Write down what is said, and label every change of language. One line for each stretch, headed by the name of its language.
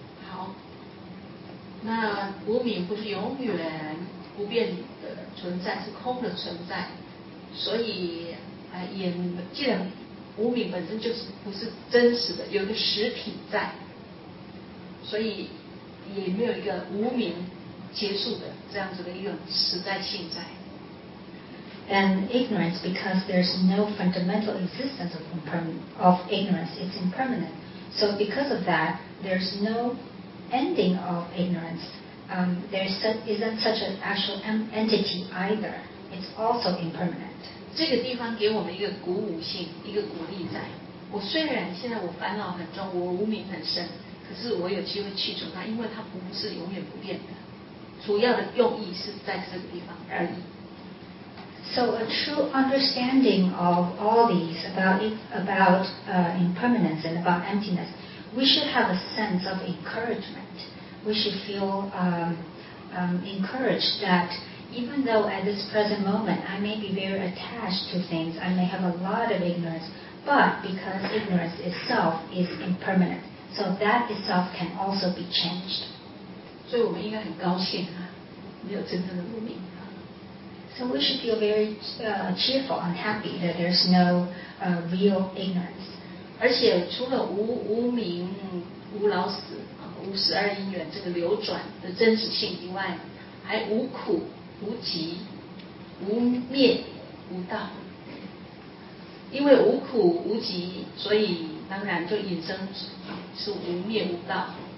Chinese: 好，那无明不是永远不变的存在，是空的存在。所以，既然无明本身就是不是真实的，有个实体在，所以也没有一个无明结束的这样子的一个实在性在。
English: And ignorance, because there's no fundamental existence of ignorance, it's impermanent. So because of that, there's no ending of ignorance. There isn't such an actual entity either. It's also impermanent.
Chinese: 这个地方给我们一个鼓舞性，一个鼓励在。我虽然现在我烦恼很重，我无明很深，可是我有机会去除它，因为它不是永远不变的。主要的用意是在这个地方而已。
English: So a true understanding of all these about impermanence and about emptiness, we should have a sense of encouragement. We should feel encouraged that even though at this present moment I may be very attached to things, I may have a lot of ignorance, but because ignorance itself is impermanent, so that itself can also be changed.
Chinese: 所以我们应该很高兴啊，没有真正的无明。
English: So we should feel very cheerful and happy that there's no real ignorance.
Chinese: 而且除了 无明、无老死、无十二因缘这个流转的真实性以外，还无苦、无集、无灭、无道。因为无苦、无集，所以当然就引生是无灭、无道。